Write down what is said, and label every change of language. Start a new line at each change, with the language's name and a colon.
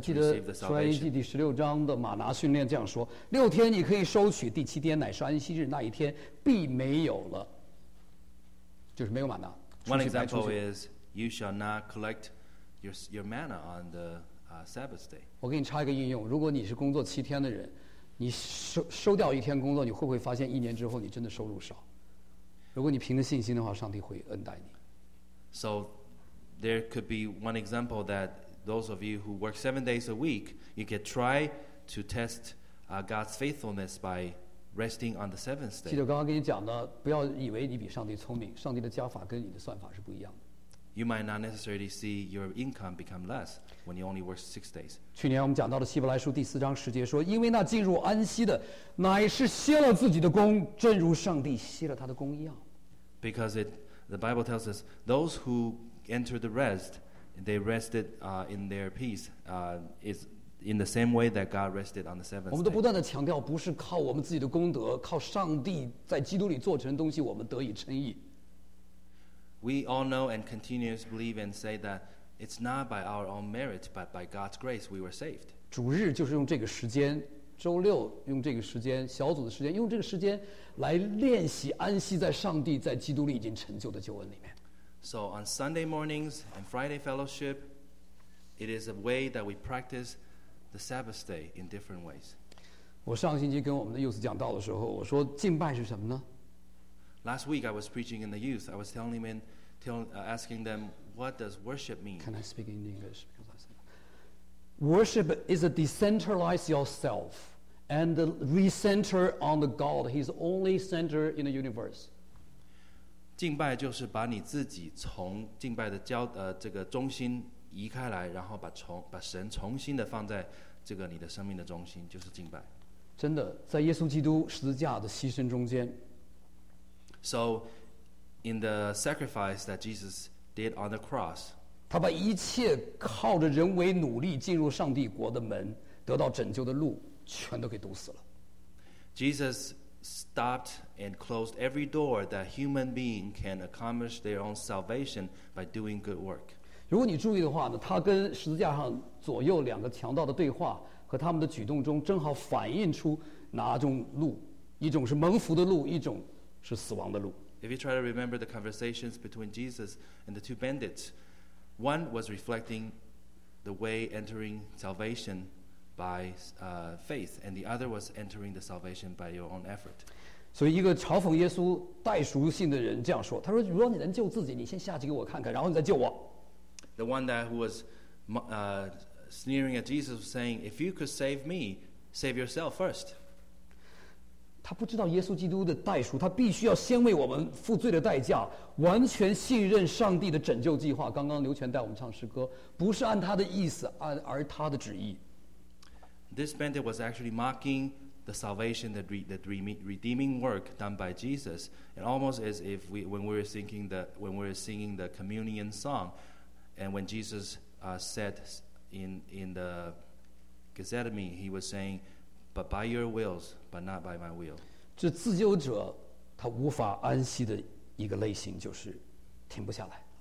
Chinese: 还记得出埃及记第十六章的玛拿训练这样说：六天你可以收取，第七天乃是安息日，那一天必没有了，就是没有玛拿。
English: One example is you shall not collect your manna on the Sabbath day.
Chinese: 我给你插一个应用：如果你是工作七天的人，你收掉一天工作，你会不会发现一年之后你真的收入少？如果你凭着信心的话，上帝会恩待你。
English: So there could be one example that those of you who work 7 days a week, you could try to test God's faithfulness by resting on the seventh day.
Chinese: 记得刚刚跟你讲的，不要以为你比上帝聪明，上帝的加法跟你的算法是不一样的。
English: You might not necessarily see your income become less when you only work 6 days.
Chinese: 去年我们讲到的希伯来书第四章十节说，因为那进入安息的乃是歇了自己的功，正如上帝歇了他的功一样。
English: Because the Bible tells us those who enter the rest, they rested in their peace, is in the same way that God rested on the seventh day.
Chinese: 我们都不断地强调，不是靠我们自己的功德，靠上帝在基督里做成的东西，我们得以称义。
English: We all know and continue to believe and say that it's not by our own merit, but by God's grace we were saved.
Chinese: 主日就是用这个时间，周六用这个时间，小组的时间，用这个时间来练习安息在上帝在基督里已经成就的救恩里面。
English: So on Sunday mornings and Friday fellowship, it is a way that we practice the Sabbath day in different ways.
Chinese: 我上星期跟我们的 youth 讲道的时候，我说敬拜是什么呢？
English: Last week I was preaching in the youth. I was telling them, asking them, what does worship mean? Can I speak in English? Because I said, worship is a decentralize yourself and recenter on the God. He's the only center in the universe.
Chinese: 敬拜就是把你自己从敬拜的焦这个中心移开来，然后把神重新的放在这个你的生命的中心，就是敬拜。真的，在耶稣基督十字架的牺牲中间。
English: So, in the sacrifice that Jesus did on the cross,
Chinese: 他把一切靠着人为努力进入上帝国的门，得到拯救的路，全都给堵死了。
English: Jesus stopped and closed every door that human being can accomplish their own salvation by doing good work.
Chinese: 如果你注意的话呢，他跟十字架上左右两个强盗的对话。和他们的举动中正好反映出哪种路，一种是蒙福的路，一种是死亡的路。
English: If you try to remember the conversations between Jesus and the two bandits, one was reflecting the way entering salvation by faith, and the other was entering the salvation by your own effort.
Chinese: 所以一个嘲讽耶稣代赎性的人这样说，他说，如果你能救自己，你先下去给我看看，然后你再救我。
English: The one that was sneering at Jesus, saying, if you could save me, save yourself first.
Chinese: 他不知道耶稣基督的代赎，他必须要先为我们付罪的代价，完全信任上帝的拯救计划。刚刚刘全带我们唱诗歌，不是按他的意思，而他的旨意。
English: This bandit was actually mocking the salvation, redeeming work done by Jesus. And almost as if when we were singing the communion song, and when Jesus said, In the Gethsemane, he was saying, "But by your wills, but not by my will."
Chinese: 这自救者他无法安息的一个类型就是停不下来。